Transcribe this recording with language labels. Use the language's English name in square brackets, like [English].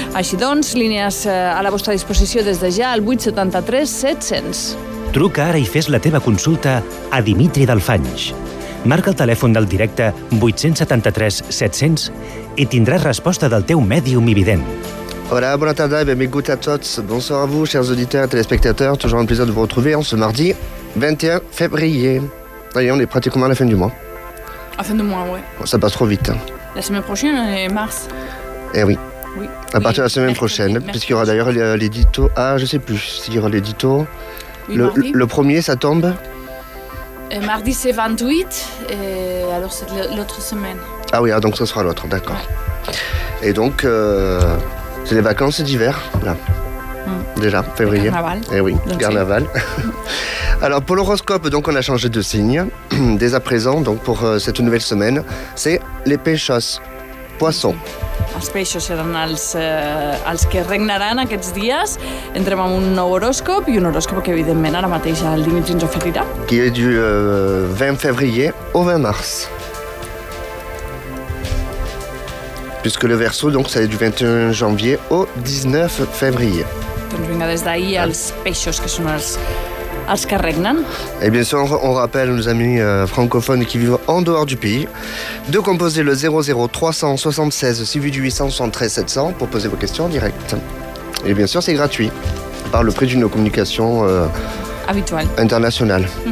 [Catalan] Així doncs, línies a la vostra disposició des de ja al 873-700. Truca ara i fes la teva consulta a Dimitri Delfanys. Marca el telèfon del directe 873-700 i tindràs resposta del teu mèdium i vident. Hola, bona tarda i benvinguts a tots. [French] Bonsoir a vous, chers auditeurs et téléspectateurs. Toujours un plaisir de vous retrouver en ce mardi 21 février. Allez, on est pratiquement à la fin du mois. À la fin du mois, ouais. Ça passe trop vite. La semaine prochaine, on est mars. Eh oui. À partir de la semaine prochaine, puisqu'il y aura d'ailleurs l'édito. Ah, je ne sais plus s'il y aura l'édito. Oui, le premier, ça tombe Mardi, c'est 28, et alors c'est l'autre semaine. Ah oui, ah, donc ça sera l'autre, d'accord. Ouais. Et donc, c'est les vacances d'hiver, là. Déjà, février. Le carnaval. Eh oui, donc, carnaval. Alors, pour l'horoscope, donc, on a changé de signe. Dès à présent, donc, pour cette nouvelle semaine, c'est les pêcheurs, poissons. [Catalan] Els peixos seran els que regnaran aquests dies. Entrem en un nou horòscop i un horòscop que, evidentment, ara mateix el Dimitri ens oferirà. [French] Qui és du 20 février au 20 mars. Puisque le Verseau, donc, ça est du 21 janvier au 19 février. [Catalan] Doncs vinga, des d'ahir, els peixos, que són els que regnen. [French] Et bien sûr, on rappelle nos amis francophones qui vivent en dehors du pays de composer le 00-376-68-873-700 pour poser vos questions en direct. Et bien sûr, c'est gratuit, par le prix d'une communication habituelle, internationale.